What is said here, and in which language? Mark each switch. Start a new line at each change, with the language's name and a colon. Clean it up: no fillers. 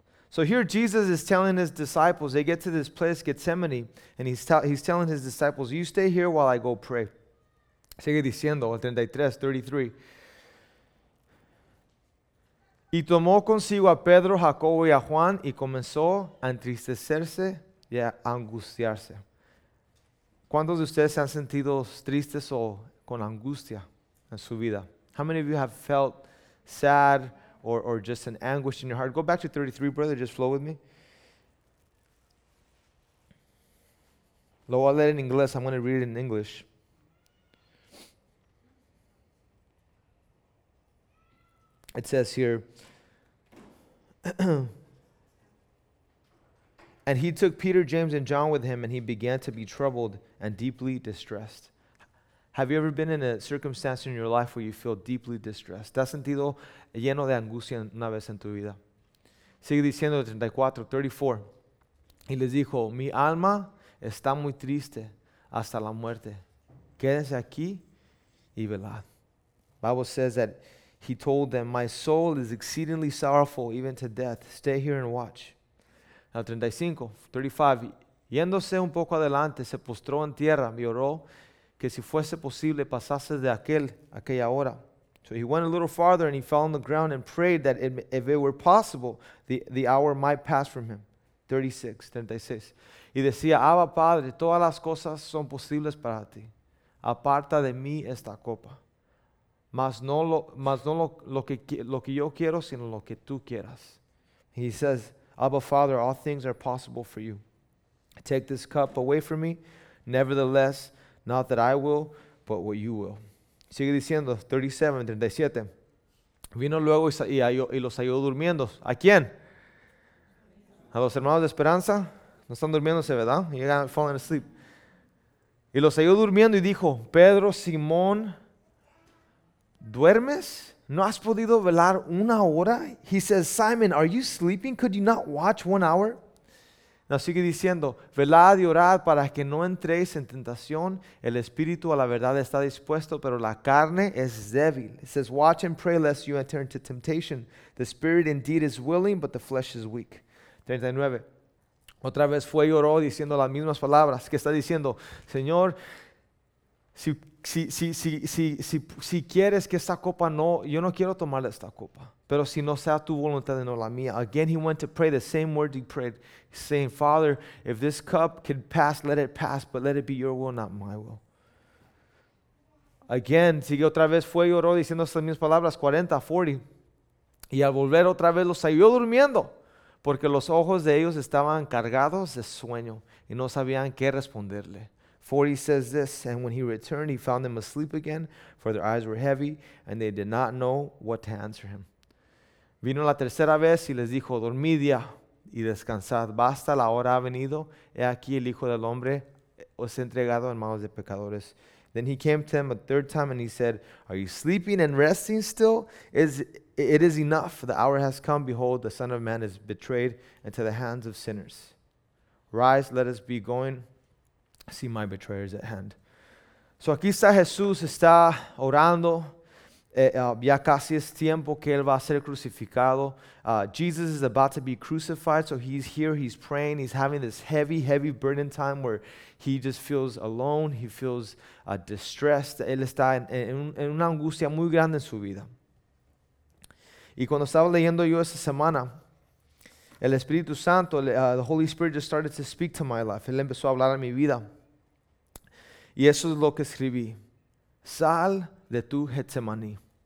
English: So here Jesus is telling his disciples, they get to this place, Getsemaní, and he's telling his disciples, you stay here while I go pray.
Spanish: Sigue diciendo, el 33. Y tomó consigo a Pedro, Jacobo y a Juan, y comenzó a entristecerse y a angustiarse. ¿Cuántos de ustedes se han sentido tristes o con angustia en su vida?
English: How many of you have felt sad or just an anguish in your heart? Go back to 33, brother, just flow with me.
Spanish: Lo voy a leer en inglés,
English: I'm going to read it in English. It says here, and he took Peter, James, and John with him, and he began to be troubled and deeply distressed. Have you ever been in a circumstance in your life where you feel deeply distressed?
Spanish: ¿Te has sentido lleno de angustia una vez en tu vida? Sigue diciendo el 34. Y les dijo, mi alma está muy triste hasta la muerte. Quédense aquí y velad.
English: Bible says that he told them, my soul is exceedingly sorrowful even to death. Stay here and watch.
Spanish: El 35. Yéndose un poco adelante, se postró en tierra y oró, que si fuese posible pasase de aquella hora.
English: So he went a little farther and he fell on the ground and prayed that if it were possible, the hour might pass from him. 36.
Spanish: Y decía, Abba Padre, todas las cosas son posibles para ti. Aparta de mí esta copa. Mas no lo que yo quiero, sino lo que tú quieras.
English: He says, Abba Father, all things are possible for you. Take this cup away from me. Nevertheless, not that I will, but what you will.
Spanish: Sigue diciendo, 37. Vino luego y los halló durmiendo. ¿A quién? A los hermanos de Esperanza. No están durmiéndose, ¿verdad? Llegan
English: falling asleep.
Spanish: Y los halló durmiendo y dijo, Pedro, Simón, ¿duermes? ¿No has podido velar una hora?
English: He says, Simon, are you sleeping? Could you not watch 1 hour? Now,
Spanish: sigue diciendo, velad y orad para que no entréis en tentación. El espíritu a la verdad está dispuesto, pero la carne es débil.
English: It says, watch and pray lest you enter into temptation. The spirit indeed is willing, but the flesh is weak. 39.
Spanish: Otra vez fue y oró diciendo las mismas palabras. ¿Qué está diciendo? Señor, si quieres que esta copa no, yo no quiero tomar esta copa. Pero si no sea tu voluntad, no la mía.
English: Again, he went to pray the same word he prayed, saying, Father, if this cup can pass, let it pass, but let it be your will, not my will. Again,
Spanish: sigue otra vez, fue y oró diciendo estas mismas palabras, 40. Y al volver otra vez, los halló durmiendo, porque los ojos de ellos estaban cargados de sueño y no sabían qué responderle.
English: 40 says this, and when he returned, he found them asleep again, for their eyes were heavy, and they did not know what to answer him.
Spanish: Vino la tercera vez y les dijo, dormid ya y descansad. Basta, la hora ha venido. He aquí el Hijo del Hombre os he entregado en manos de pecadores.
English: Then he came to them a third time and he said, are you sleeping and resting still? It is enough. The hour has come. Behold, the Son of Man is betrayed into the hands of sinners. Rise, let us be going. See, my betrayer is at hand.
Spanish: So aquí está Jesús, está orando. Ya casi es tiempo que él va a ser crucificado.
English: Jesus is about to be crucified, so he's here, he's praying, he's having this heavy, heavy burden time where he just feels alone, he feels distressed.
Spanish: Él está en una angustia muy grande en su vida. Y cuando estaba leyendo yo esta semana, el Espíritu Santo,
English: the Holy Spirit just started to speak to my life.
Spanish: Él empezó a hablar a mi vida. Y eso es lo que escribí. Sal de tu Getsemaní.